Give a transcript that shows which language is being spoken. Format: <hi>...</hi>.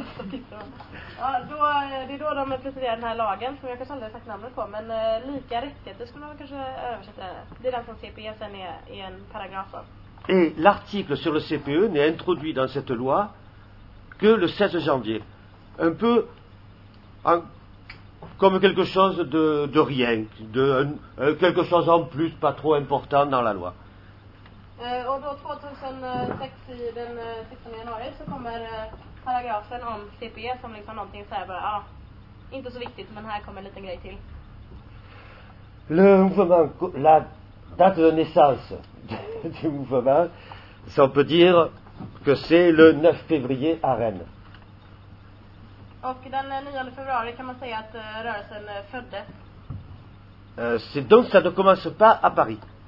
<sv>Det är då de presenterar den här lagen som jag kanske aldrig har sagt namnet på, men lika rättigheter skulle man kanske översätta. Det är den som CPE sen är i en paragraf.</sv> <fr>Et l'article sur le CPE n'est introduit dans cette loi que le 16 janvier. Un peu comme quelque chose de rien, de quelque chose en plus, pas trop important dans la loi.</fr> <sv>Och då 2006 i den 16 januari så kommer paragrafen om CPE som liksom någonting så här bara, ja, inte så viktigt, men här kommer en liten grej till.</sv> <fr>Le mouvement, la date de naissance du mouvement, ça on peut dire que c'est le 9 février à Rennes.</fr> <sv>Och den 9 februari kan man säga att rörelsen föddes.</sv> <fr>C'est donc ça ne commence pas à Paris.</fr>